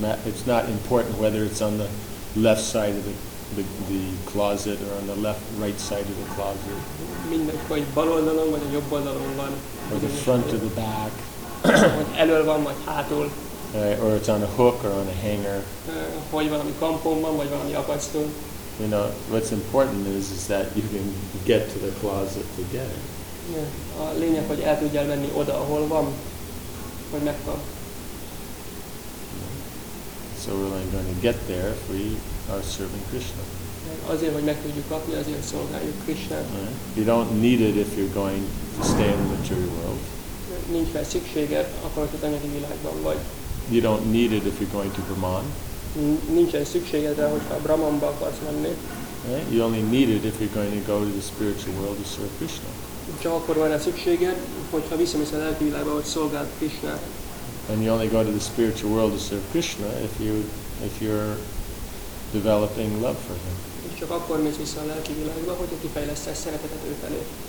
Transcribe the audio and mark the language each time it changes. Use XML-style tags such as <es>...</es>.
<en>It's not important whether it's on the left side of the the closet or on the left right side of the closet.</en> <hu>Mindegy, hogy bal oldalon vagy a jobb oldalon van.</hu> <en>Or the front of the back.</en> <hu>Vagy elől van vagy hátul.</hu> <en>Or it's on a hook or on a hanger.</en> <hu>Vagy valami kampón van vagy valami akasztón.</hu> <en>You know, what's important is that you can get to the closet to get it. Yeah.</en> <hu>A lényeg, hogy el tudjál menni oda, ahol van, hogy megvan.</hu> <en>So we're only going to get there if we are serving Krishna.</en> <hu>Azért, hogy meg tudjuk kapni, azért szolgáljuk Krishnát.</hu> <en>You don't need it if you're going to stay in the material world.</en> <hu>Nincs fel szükséged, akkor az anyagi világban vagy.</hu> <en>You don't need it if you're going to Brahman.</en> <hu>Nincsen szükséged rá, hogyha Brahmanba akarsz menni.</hu> <en>You only need it if you're going to go to the spiritual world to serve Krishna.</en> <hu>Csak akkor van rá szükséged, hogyha visszamész a lelki világba, hogy szolgáld Krishnát.</hu> <en>And you only go to the spiritual world to serve Krishna if you're developing love for him.</en> <hu>És csak akkor mész vissza a lelki világba, hogyha kifejlesztesz szeretetet ő felé.</hu>